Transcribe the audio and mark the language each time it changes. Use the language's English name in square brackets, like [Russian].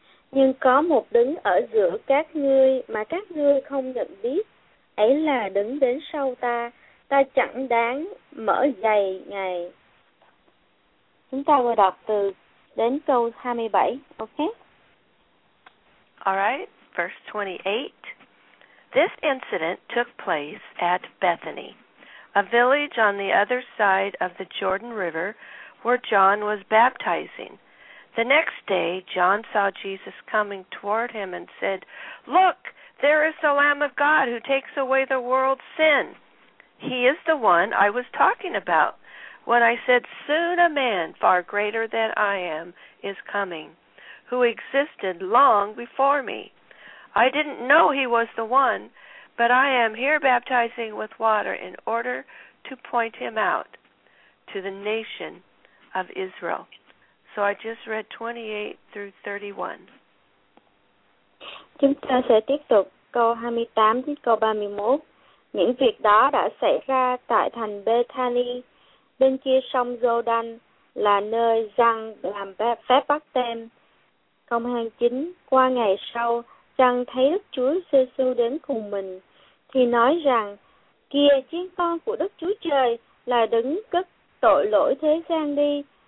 [Vietnamese] Nhưng có một đấng ở giữa các ngươi mà các ngươi không nhận biết, ấy là đấng đến sau ta chẳng đáng mở giày ngài. Chúng ta vừa đọc từ đến câu 27, ok? [English] All right, verse 28. This incident took place at Bethany, a village on the other side of the Jordan River where John was baptizing. The next day, John saw Jesus coming toward him and said, "Look, there is the Lamb of God who takes away the world's sin. He is the one I was talking about when I said, soon a man far greater than I am is coming, who existed long before me. I didn't know he was the one, but I am here baptizing with water in order to point him out to the nation of Israel." So I just read 28 through 31. [Vietnamese] Chúng ta sẽ tiếp tục câu 28 đến câu 31. Những việc đó đã xảy ra tại thành Bethany, bên kia sông Giô-đan, là nơi Giăng làm phép bắt tem. Câu 29, qua ngày sau, Giăng thấy Đức Chúa Giê-xu đến cùng mình, thì nói rằng, kìa chiên con của Đức Chúa Trời là đấng cất tội lỗi thế gian đi.